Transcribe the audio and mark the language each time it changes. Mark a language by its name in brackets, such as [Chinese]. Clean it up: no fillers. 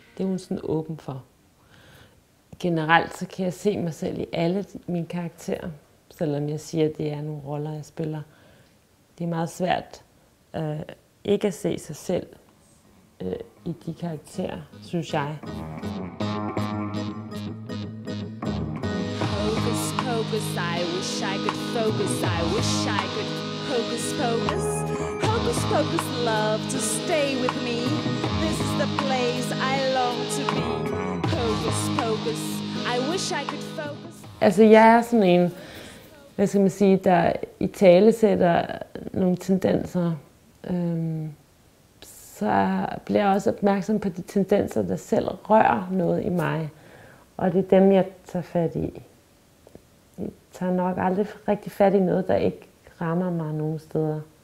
[Danish] Det er hun sådan åben for. Generelt så kan jeg se mig selv i alle mine karakterer, selvom jeg siger, at det er nogle roller, jeg spiller. Det er meget svært ikke at se sig selv i de karakterer, synes jeg. [English] Hocus pocus, I wish I could focus, I wish I could hocus pocus. Hocus pocus, love to stay with me. This is the place I long to be. Hocus pocus, I wish I could focus. [Danish] Altså, jeg er sådan en, hvad skal man sige, der i tale sætter nogle tendenser. Så bliver jeg også opmærksom på de tendenser, der selv rører noget i mig. Og det er dem, jeg tager fat i. Jeg tager nok aldrig rigtig fat i noget, der ikke rammer mig nogen steder.